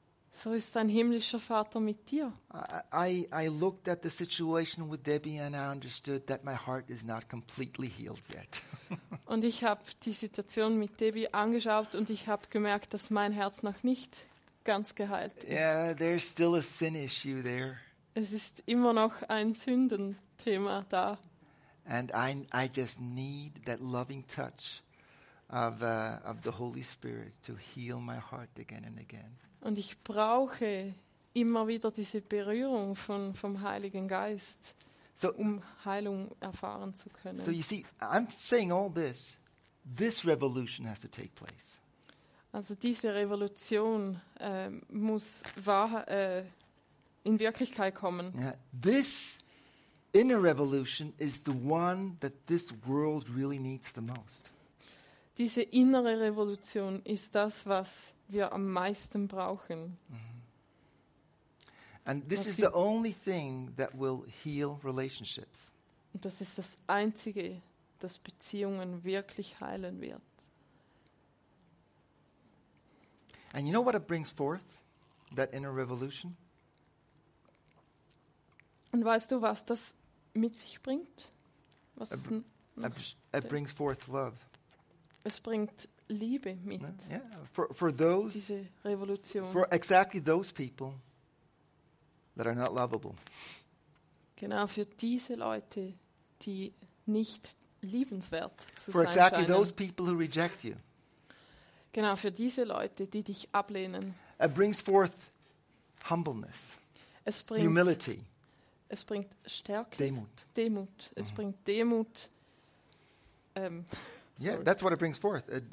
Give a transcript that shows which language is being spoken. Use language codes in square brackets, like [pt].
[de] So ist dein himmlischer Vater mit dir. [en] I looked at the situation with Debbie and I understood that my heart is not completely healed yet. [de] Und ich habe die Situation mit Debbie angeschaut und ich habe gemerkt, dass mein Herz noch nicht ganz geheilt ist. [en] Yeah, there's still a sin issue there. [de] Es ist immer noch ein Sündenthema da. [en] And I just need that loving touch of the Holy Spirit to heal my heart again and again. [de] Und ich brauche immer wieder diese Berührung vom Heiligen Geist, so, um Heilung erfahren zu können. [en] So you see, I'm saying all this. This revolution has to take place. [de] Also diese Revolution muss wahr in Wirklichkeit kommen. [en] Yeah. This inner revolution is the one that this world really needs the most. [de] Diese innere Revolution ist das, was wir am meisten brauchen. Mm-hmm. [en] And this is the only thing that will heal relationships. [de] Und das ist das Einzige, das Beziehungen wirklich heilen wird. [en] And you know what it brings forth, that inner revolution? [de] Und weißt du, was das mit sich bringt? Was [en] it brings forth love. [de] Es bringt Liebe mit. [en] Yeah, for those, [de] diese Revolution. [en] For exactly those people that are not lovable. [de] Genau für diese Leute, die nicht liebenswert zu [en] for [de] sein scheinen. [en] For exactly those people who reject you. [de] Genau für diese Leute, die dich ablehnen. [en] It brings forth humbleness. [de] Es bringt [en] humility. [de] Es bringt Stärke. Demut. Demut. Es mm-hmm. bringt Demut. [en] Yeah, that's what it brings forth.